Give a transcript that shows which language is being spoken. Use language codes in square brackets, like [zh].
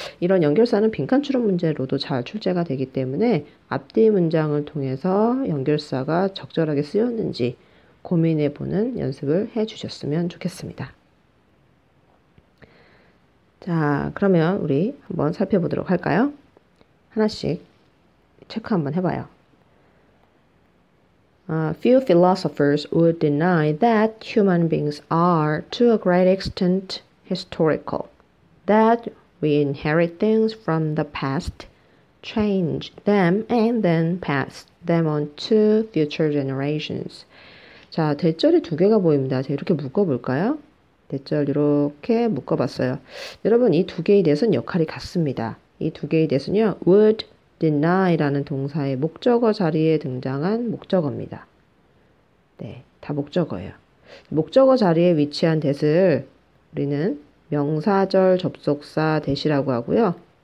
[ko] 이런 연결사는 빈칸 출원 문제로도 잘 출제가 되기 때문에 앞뒤 문장을 통해서 연결사가 적절하게 쓰였는지 고민해 보는 연습을 해 주셨으면 좋겠습니다. 자, 그러면 우리 한번 살펴보도록 할까요? 하나씩 체크 한번 해 봐요. [en] Few philosophers would deny that human beings are to a great extent historical, that we inherit things from the past, change them, and then pass them on to future generations. [ko] 자, 대절이 두 개가 보입니다. 제가 이렇게 묶어볼까요? 대절 이렇게 묶어봤어요. 여러분, 이두 개에 대해서는 역할이 같습니다. 이두 개에 대해서는요, [en] would deny [ko] 라는 동사의 목적어 자리에 등장한 목적어입니다. 네, 다 목적어예요. 목적어 자리에 위치한 that을 우리는 명사절 접속사 that이라고 하고요.